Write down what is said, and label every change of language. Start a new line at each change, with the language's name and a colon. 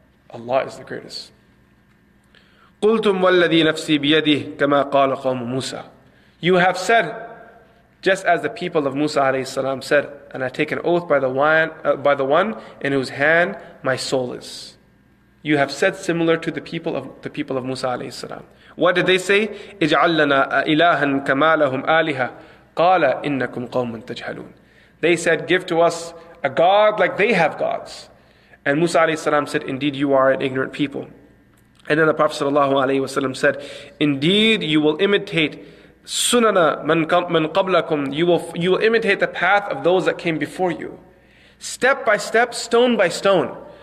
English: Allah is the greatest.
Arabic: Qultum walladhi nafsi biyadih kama qala qawm Musa.
English: You have said, just as the people of Musa alayhi salam said, and I take an oath by the one in whose hand my soul is. You have said similar to the people of Musa alayhi salam. What did they say?
Arabic: اجعل لنا إلها كما لهم آلهة قال إنكم قوم تجهلون.
English: They said, give to us a god like they have gods. And Musa alayhi salam said, indeed you are an ignorant people. And then the Prophet sallallahu alayhi wasallam said, indeed you will imitate
Arabic: sunana man qablakum.
English: You will imitate the path of those that came before you. Step by step, stone by stone.